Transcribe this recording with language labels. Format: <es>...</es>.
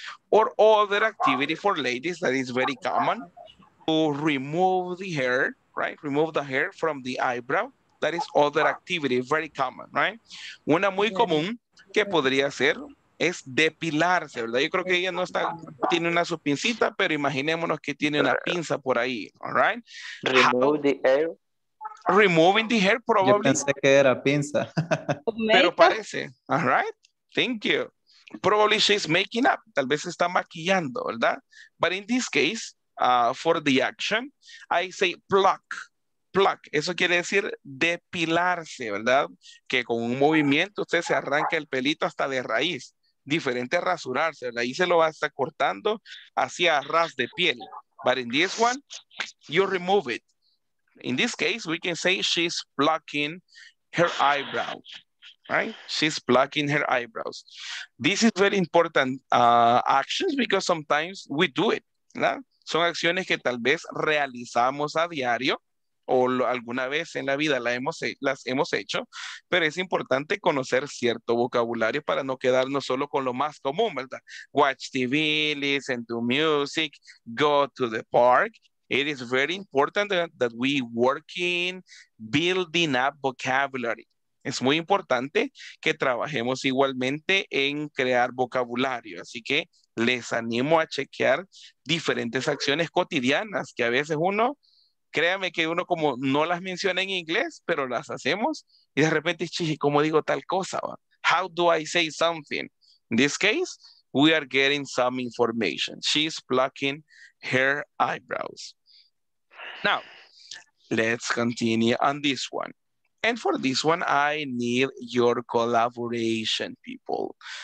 <en>Or other activity for ladies that is very common, to remove the hair, right? Remove the hair from the eyebrow. That is other activity, very common, right?</en> <es>Una muy común que podría ser es depilarse, ¿verdad? Yo creo que ella no está, tiene una su pincita, pero imaginémonos que tiene una pinza por ahí,</es> <en>all right? Remove the hair. Removing the hair, probably.</en> <es>Yo pensé que era pinza. Pero parece,</es> <en>all right? Thank you. Probably she's making up.</en> <es>Tal vez está maquillando, ¿verdad?</es> <en>But in this case, for the action, I say pluck.</en> <es>Pluck, eso quiere decir depilarse, ¿verdad? Que con un movimiento usted se arranca el pelito hasta de raíz. Diferente a rasurarse, ¿verdad? Ahí se lo va a estar cortando hacia ras de piel.</es> <en>But in this one, you remove it. In this case, we can say she's plucking her eyebrows. Right? She's plucking her eyebrows. This is very important actions because sometimes we do it.</en> <es>¿Verdad? Son acciones que tal vez realizamos a diario o alguna vez en la vida las hemos hecho, pero es importante conocer cierto vocabulario para no quedarnos solo con lo más común, ¿verdad?</es> <en>Watch TV, listen to music, go to the park. It is very important that we work in building up vocabulary.</en> <es>Es muy importante que trabajemos igualmente en crear vocabulario. Así que les animo a chequear diferentes acciones cotidianas que a veces uno, créame que uno como no las menciona en inglés, pero las hacemos y de repente, chiji, ¿cómo digo tal cosa?</es> <en>How do I say something? In this case, we are getting some information. She's plucking her eyebrows. Now, let's continue on this one. And for this one, I need your collaboration, people.</en>